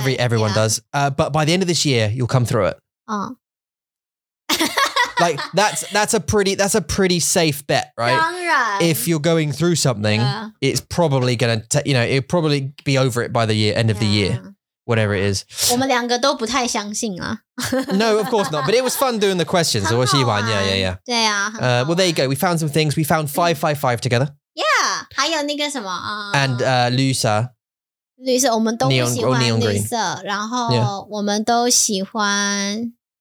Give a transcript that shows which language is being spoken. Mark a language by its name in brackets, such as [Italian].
[English] Everyone does. But by the end of this year, you'll come through it. Like that's a pretty safe bet, right? [Chinese] 当然, [English] if you're going through something, it's probably gonna it'll probably be over it by the year end of the year, whatever it is. [Chinese] 我们两个都不太相信啊. [English] No, of course not. But it was fun doing the questions. [Chinese] 很好玩. [English] Yeah. [Chinese] 对啊, [English] well, there you go. We found some things. We found 555 together. Yeah, [Chinese] 还有那个什么啊? [English] And Lusa. [Chinese] 绿色, 我们都不喜欢绿色, 然后我们都喜欢.